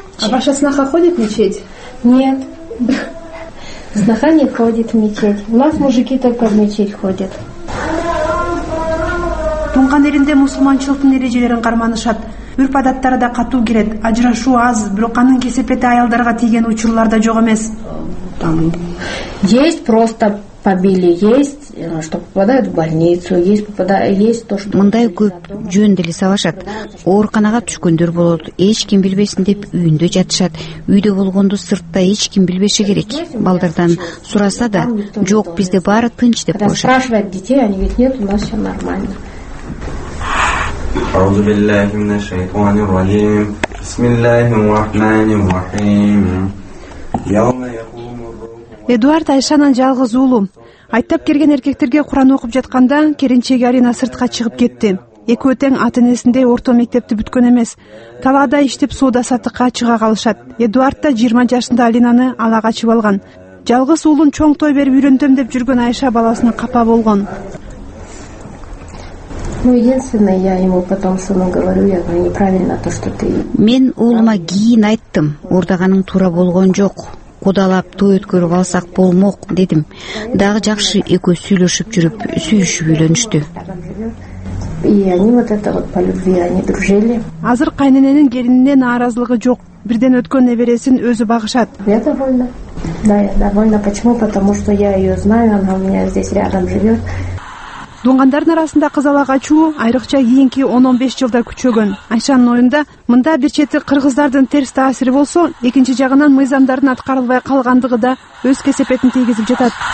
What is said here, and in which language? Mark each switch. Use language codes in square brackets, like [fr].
[ru] Ваша снаха ходит мечеть? Нет. Знаха не ходит в мечеть. У нас мужики только в мечеть ходят. [ky] Тунган элинде мусулманчылыктын эрежелерин карманышат. Үрп адаттары да катуу келет. Ажырашуу аз, бирок анын кесепети аялдарга тийген учурлар да жок эмес. [ru] Там есть просто побили, есть, что попадают в больницу, есть попадают, есть то, что. [ky] Мындай көп жөн деле салышат. Ооруканага түшкөндөр болот, эч ким билбесин деп үйүндө жатышат. Үйдө болгондо сыртта эч ким билбеши керек. Балдардан сураса да, жок, бизде баары тынч деп коюшат. [ru] Спрашивают детей, они говорят, нет, у нас все нормально. [ar] أعوذ بالله من الشيطان الرجيم بسم الله الرحمن الرحيم يوم يقوم الروح [ky] Эдуард Айшанан жалгыз уулу айттап келген эркектерге Куран окуп жатканда келинчек Арина сыртка чыгып кетти. Экөө тең ата-энесинде орто мектепти бүткөн эмес. Талаада иштеп соода сатыкка чыга калышат. Эдуард да 20 жашында Алинаны ала качып алган. Жалгыз уулун чоң той берип үйрөндөм деп жүргөн Айша баласына капа болгон. [ru] Ну, единственное, я ему потом сыну говорю, я говорю, неправильно то, что ты... [ky] Мен улыма кийин айттым, ордаганың тура болгон жок, кудалап той өткөрүп алсак болмок, дедим. Дагы жакшы экөө сүйлөшүп жүрүп, сүйүшүп үйлөнүштү. [ru] И они вот это вот по любви, они дружили. [ky] Азыр кайнененин келинине нааразылыгы жок, бирден өткөн небересин өзү багышат. [ru] Я довольна. Да, я довольна. Почему? Потому что я её знаю, она у меня здесь рядом живёт. [ky] Дунгандардын арасында кыз ала качуу айрыкча кийинки 10-15 жылда күчөгөн. Айшанын оюнда мында бир чети кыргыздардын терс таасири болсо, экинчи жагынан мыйзамдардын аткарылбай калгандыгы да өз кесепетин тийгизип жатат.